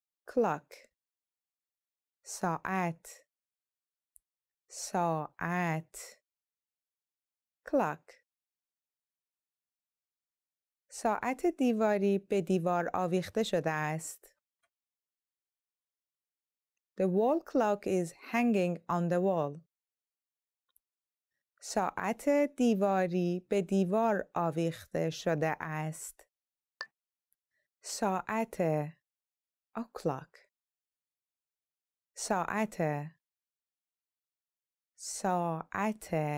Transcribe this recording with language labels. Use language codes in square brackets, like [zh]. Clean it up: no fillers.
[en] clock [fa] ساعت ساعت [en] clock [fa] ساعت دیواری به دیوار آویخته شده است. [en] The wall clock is hanging on the wall. [fa] ساعت دیواری به دیوار آویخته شده است. ساعت o'clock ساعت ساعت